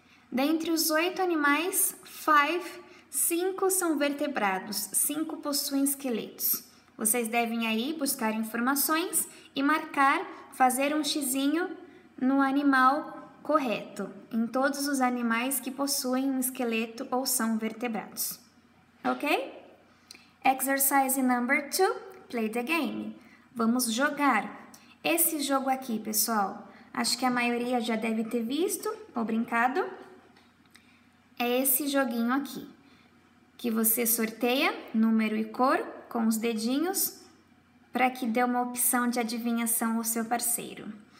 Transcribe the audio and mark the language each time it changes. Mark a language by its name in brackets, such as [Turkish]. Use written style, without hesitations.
[Portuguese] Dentre os 8 animais, 5 são vertebrados. 5 possuem esqueletos. Vocês devem aí buscar informações e marcar, fazer um xizinho no animal correto, em todos os animais que possuem um esqueleto ou são vertebrados. Ok? [English] Exercise number 2, play the game. [Portuguese] Vamos jogar. Esse jogo aqui, pessoal, acho que a maioria já deve ter visto ou brincado. É esse joguinho aqui, que você sorteia número e cor com os dedinhos para que dê uma opção de adivinhação ao seu parceiro.